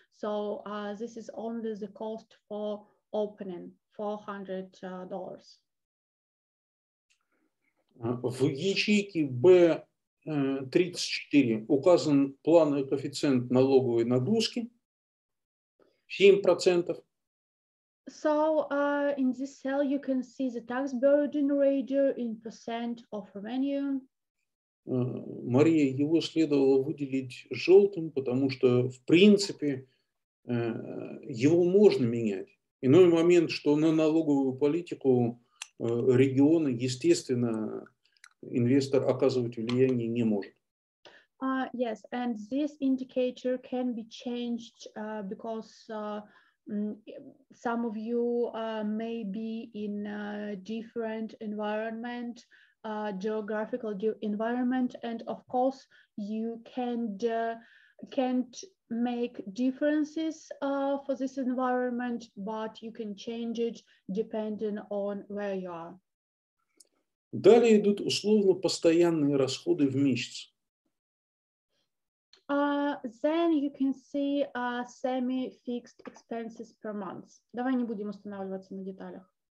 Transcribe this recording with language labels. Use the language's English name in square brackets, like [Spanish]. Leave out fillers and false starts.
[English] So this is only the cost for opening. $400. [Russian] В ячейке B34 указан плановый коэффициент налоговой нагрузки 7%. [English] So in this cell you can see the tax burden ratio in percent of revenue. [Russian] Мария, его следовало выделить желтым, потому что в принципе его можно менять. Иной момент, что на налоговую политику региона, естественно, инвестор оказывать влияние не может. [English] Yes, and this indicator can be changed because some of you may be in a different environment, geographical environment, and of course you can't make differences for this environment, but you can change it depending on where you are. [Russian] Далее идут условно постоянные расходы в месяц. [English] Then you can see semi-fixed expenses per month. [Russian] Давай не будем останавливаться на деталях.